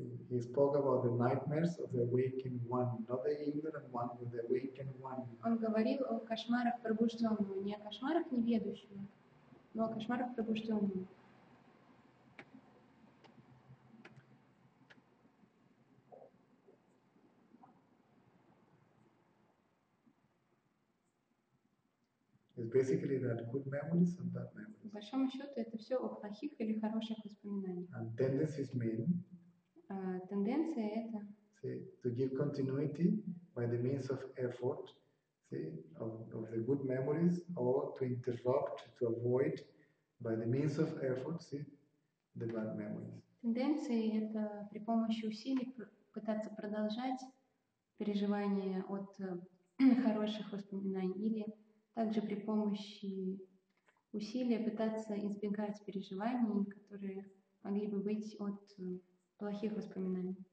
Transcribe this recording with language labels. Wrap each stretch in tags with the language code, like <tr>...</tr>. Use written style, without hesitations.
<en>He spoke about the nightmares of the awakened one, not the ignorant one, but the awakened one.</en> <ru>Он говорил о кошмарах пробужденного, не о кошмарах неведущего, но о кошмарах пробужденного.</ru> <en>It's basically that good memories and bad memories.</en> <ru>По большому счету, это все о плохих или хороших воспоминаниях.</ru> <en>And tendencies mean.</en> <ru>Тенденция это.</ru> <en>See, to give continuity by the means of effort, see, of the good memories, or to interrupt, to avoid by the means of effort, see, the bad memories.</en> <ru>Тенденция это при помощи усилий пытаться продолжать переживание от хороших воспоминаний, или также при помощи усилия пытаться избегать переживаний, которые могли бы быть от плохих воспоминаний.</ru>